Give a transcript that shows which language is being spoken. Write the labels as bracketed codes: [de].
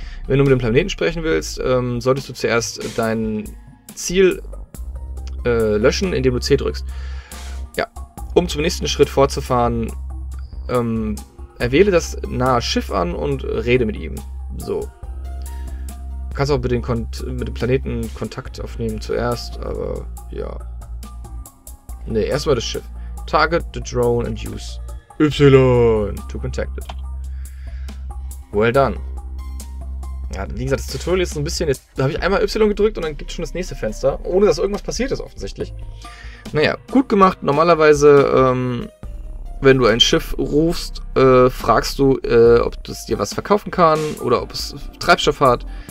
[de] Wenn du mit dem Planeten sprechen willst, solltest du zuerst dein Ziel löschen, indem du C drückst. Ja, um zum nächsten Schritt fortzufahren, erwähle das nahe Schiff an und rede mit ihm. So. Du kannst auch mit dem Planeten Kontakt aufnehmen zuerst, aber ja. Ne, erstmal das Schiff. [en] Target the drone and use Y to contact it. Well done. [de] Ja, wie gesagt, das Tutorial ist so ein bisschen. Jetzt habe ich einmal Y gedrückt und dann gibt es schon das nächste Fenster, ohne dass irgendwas passiert ist, offensichtlich. Naja, gut gemacht. Normalerweise, wenn du ein Schiff rufst, fragst du, ob das dir was verkaufen kann oder ob es Treibstoff hat.